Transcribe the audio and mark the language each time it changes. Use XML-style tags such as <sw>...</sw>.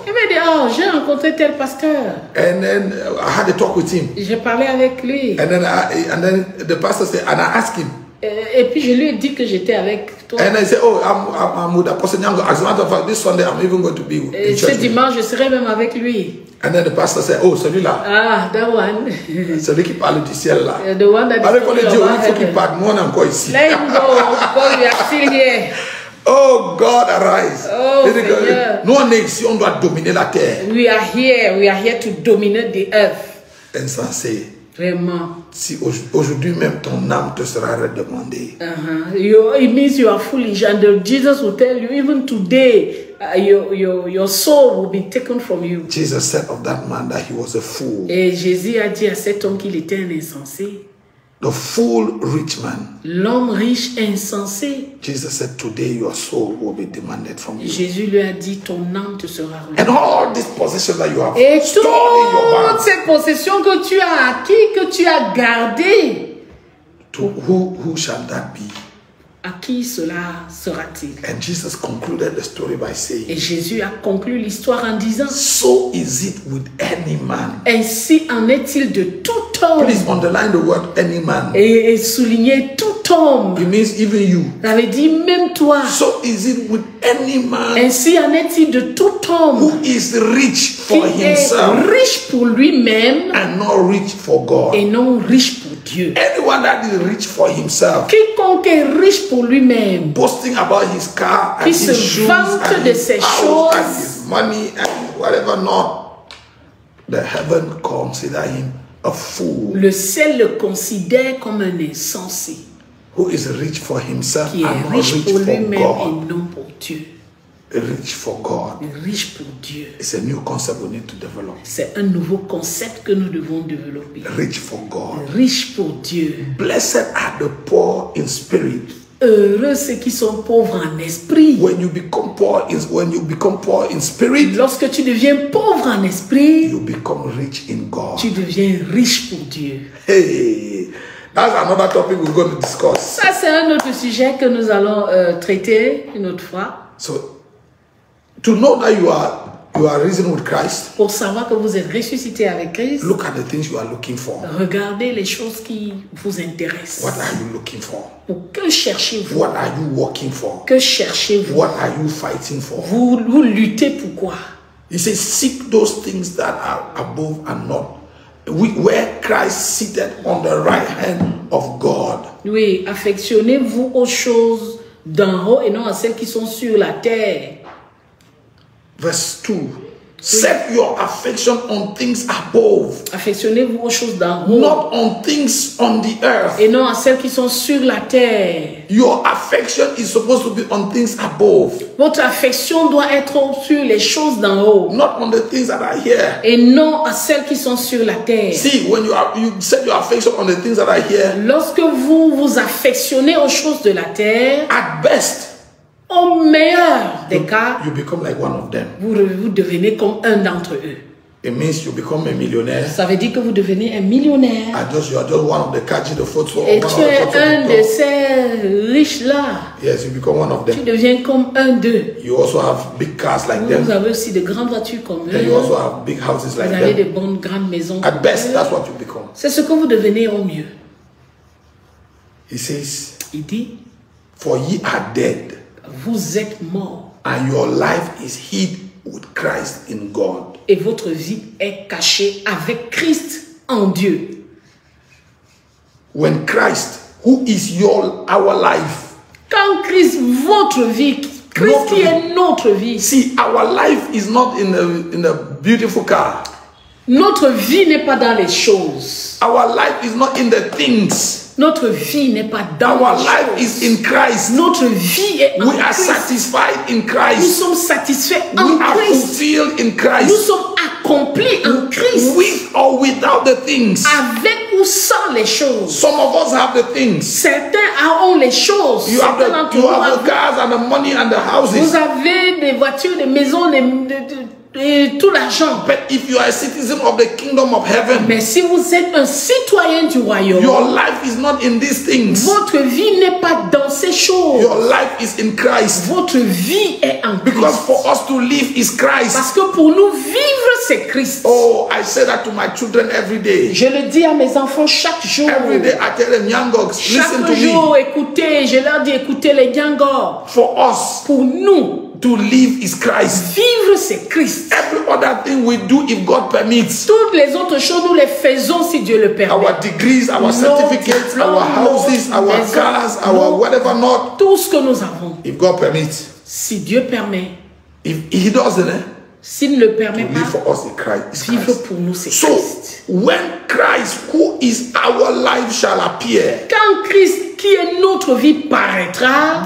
<fr>Il m'a dit, oh, j'ai rencontré tel pasteur.</fr> <en>And then I had a talk with him.</en> <fr>J'ai parlé avec lui.</fr> <en>And then the pastor said, and I asked him.</en> <fr>Et puis je lui ai dit que j'étais avec toi.</fr> <en>And I said, oh, I'm with Apostle Nyango. As a matter of fact, this Sunday I'm even going to be with him.</en> <fr>Ce dimanche, je serai même avec lui.</fr> <en>And then the pastor said, oh,</en> <fr>celui-là.</fr> <en>Ah, that one.</en> <fr>Celui qui parle du ciel là.</fr> <en>The one that.</en> <fr>Parlez pour les dieux, il faut qu'il parle. Moi, on est encore ici.</fr> <en>Let him go. Because we are still here. Oh God, arise.</en> <fr>Oh, Seigneur. Nous, on est ici, on doit dominer la terre.</fr> <en>We are here. We are here to dominate the earth.</en> <fr>Insensé. Vraiment. Si aujourd'hui même ton âme te sera redemandée.</fr> <en>It means you are foolish. And Jesus will tell you, even today, your soul will be taken from you. Jesus said of that man that he was a fool.</en> <fr>Et Jésus a dit à cet homme qu'il était un insensé.</fr> <en>The fool rich man.</en> <fr>L'homme riche insensé.</fr> <en>Jesus said, today your soul will be demanded from you.</en> <fr>Jésus lui a dit, ton âme te sera redemandée.</fr> <en>And all these possessions that you have stored in your bank.</en> <fr>Et toutes ces possessions que tu as acquis, que tu as gardé.</fr> <en>To who shall that be?</en> <fr>À qui cela sera-t-il?</fr> <en>And Jesus concluded the story by saying,</en> <fr>et Jésus a conclu l'histoire en disant,</fr> <en>so is it with any man.</en> <fr>Ainsi en est-il de tout homme.</fr> <en>Please underline the word any man.</en> <fr>Et souligner tout homme.</fr> <en>It means even you.</en> <fr>Ça veut dire même toi.</fr> <en>So is it with any man.</en> <fr>Ainsi en est-il de tout homme.</fr> <en>Who is rich for himself.</en> <fr>Qui est riche pour lui-même.</fr> <en>And not rich for God.</en> <fr>Et non riche pour Dieu.</fr> <en>Anyone that is rich for himself.</en> <fr>Quiconque est riche pour lui-même,</fr> <en>boasting about his car and his shoes and his house and his money and whatever not, the heaven consider him a fool.</en> <fr>Le ciel le considère comme un insensé.</fr> <en>Who is rich for himself</en> <fr>qui est</fr> <en>and</en> <fr>riche</fr> <en>not rich</en> <fr>pour</fr> <en>for</en> <fr>lui-même</fr> <en>God.</en> <fr>Et non pour Dieu.</fr> <en>Rich for God.</en> <fr>Riche pour Dieu.</fr> <en>It's a new concept we need to develop.</en> <fr>C'est un nouveau concept que nous devons développer.</fr> <en>Rich for God.</en> <fr>Riche pour Dieu.</fr> <en>Blessed are the poor in spirit.</en> <fr>Heureux ceux qui sont pauvres en esprit.</fr> <en>When you become poor in spirit.</en> <fr>Lorsque tu deviens pauvre en esprit.</fr> <en>You become rich in God.</en> <fr>Tu deviens riche pour Dieu.</fr> <en>Hey. That's another topic we're going to discuss.</en> <fr>Ça c'est un autre sujet que nous allons traiter une autre fois.</fr> <en>So to know that you are risen with Christ.</en> <fr>Pour savoir que vous êtes ressuscité avec Christ.</fr> <en>Look at the things you are looking for.</en> <fr>Regardez les choses qui vous intéressent.</fr> <en>What are you looking for?</en> <fr>Pour que cherchez-vous?</fr> <en>What are you working for?</en> <fr>Que cherchez-vous?</fr> <en>What are you fighting for?</en> <fr>Vous luttez pour quoi?</fr> <en>He says, seek those things that are above and not. Where Christ seated on the right hand of God.</en> <fr>Oui, affectionnez-vous aux choses d'en haut et non à celles qui sont sur la terre.</fr> <en>Verse 2. Set your affection on things above.</en> <fr>Affectionnez-vous aux choses d'en haut.</fr> <en>Not on things on the earth.</en> <fr>Et non à celles qui sont sur la terre.</fr> <en>Your affection is supposed to be on things above.</en> <fr>Votre affection doit être sur les choses d'en haut.</fr> <en>Not on the things that are here.</en> <fr>Et non à celles qui sont sur la terre.</fr> <en>See, when you set your affection on the things that are here.</en> <fr>Lorsque vous vous affectionnez aux choses de la terre.</fr> <en>At best.</en> <fr>Au meilleur des cas,</fr> <en>you become like one of them.</en> <fr>Vous devenez comme un d'entre eux.</fr> <en>It means you become a millionaire.</en> <fr>Ça veut dire que vous devenez un millionnaire.</fr> <en>You are just one of the catchy the photo.</en> <fr>Et tu es un de ces riches là.</fr> <en>Yes, you become one of them.</en> <fr>Tu deviens comme un d'eux.</fr> <en>You also have big cars like</en> <fr>vous</fr> <en>them.</en> <fr>Vous avez aussi de grandes voitures comme</fr> <en>And</en> <fr>eux.</fr> <en>You also have big houses like</en> <fr>vous</fr> <en>them.</en> <fr>Avez de bonnes grandes maisons.</fr> <en>At best,</en> <fr>eux.</fr> <en>That's what you become.</en> <fr>C'est ce que vous devenez au mieux.</fr> <en>He says.</en> <fr>Il dit.</fr> <en>For ye are dead.</en> <fr>Vous êtes mort.</fr> <en>And your life is hid with Christ in God.</en> <fr>Et votre vie est cachée avec Christ en Dieu.</fr> <en>When Christ, who is your our life?</en> <fr>Quand Christ, votre vie, Christ qui est notre vie.</fr> <en>See, our life is not in a beautiful car.</en> <fr>Notre vie n'est pas dans les choses.</fr> <en>Our life is not in the things.</en> <fr>Notre vie n'est pas dans</fr> <en>Our life is in Christ.</en> <fr>Notre vie est</fr> <en>We</en> <fr>en</fr> <en>are</en> <fr>Christ.</fr> <en>Satisfied in Christ.</en> <fr>Nous sommes satisfaits</fr> <en>We</en> <fr>en</fr> <en>are</en> <fr>Christ.</fr> <en>Fulfilled in Christ.</en> <fr>Nous sommes accomplis en Christ.</fr> <en>With or without the things.</en> <fr>Avec ou sans les choses.</fr> <en>Some of us have the things.</en> <fr>Certains ont les choses.</fr> <en>You have the cars and the money and the houses.</en> <fr>Vous avez des voitures, des maisons, tout l'argent.</fr> <en>But if you are a citizen of the kingdom of heaven,</en> <fr>mais si vous êtes un citoyen du royaume,</fr> <en>your life is not in these things.</en> <fr>Votre vie n'est pas dans ces choses.</fr> <en>Your life is in Christ.</en> <fr>Votre vie est en Christ.</fr> <en>Because for us to live is Christ.</en> <fr>Parce que pour nous vivre c'est Christ.</fr> <en>Oh, I say that to my children every day.</en> <fr>Je le dis à mes enfants chaque jour.</fr> <en>Every day I tell them, Yangogs, listen to me.</en> <fr>Chaque jour, écoutez, je leur dis, écoutez les Yangogs.</fr> <en>For us.</en> <fr>Pour nous.</fr> <en>To live is Christ.</en> <fr>Vivre c'est Christ.</fr> <en>Every other thing we do, if God permits.</en> <fr>Toutes les autres choses nous les faisons si Dieu le permet.</fr> <en>Our degrees, our</en> <fr>nos</fr> <en>certificates,</en> <fr>diplômes,</fr> <en>our houses, our</en> <fr>maisons,</fr> <en>cars, our whatever not.</en> <fr>Tout ce que nous avons.</fr> <en>If God permits.</en> <fr>Si Dieu permet.</fr> <en>If He doesn't. Eh?</en> <fr>S'il ne le permet</fr> <en>to</en> <fr>pas.</fr> <en>Live for us is Christ.</en> <fr>Vivre pour nous c'est</fr> <en>so,</en> <fr>Christ.</fr> <en>So when Christ, who is our life, shall appear.</en> <fr>Quand Christ qui est notre vie paraîtra.</fr>